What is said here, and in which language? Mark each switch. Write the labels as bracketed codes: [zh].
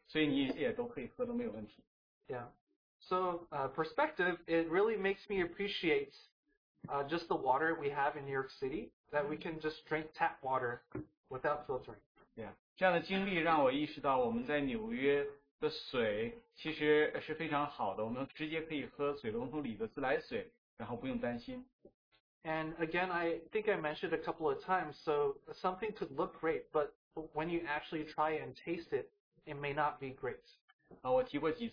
[zh] 他们的水呢，你也是到处的水都可以喝，有那种渗透的水，所以你也都可以喝，都没有问题。Yeah. [en] So perspective, it really makes me appreciate just the water we have in New York City, that we can just drink tap water without filtering. Yeah. [zh] 这样的经历让我意识到，我们在纽约的水其实是非常好的，我们直接可以喝水龙头里的自来水，然后不用担心。 [en] And again, I think I mentioned a couple of times, so something could look great, but when you actually try and taste it, it may not be great.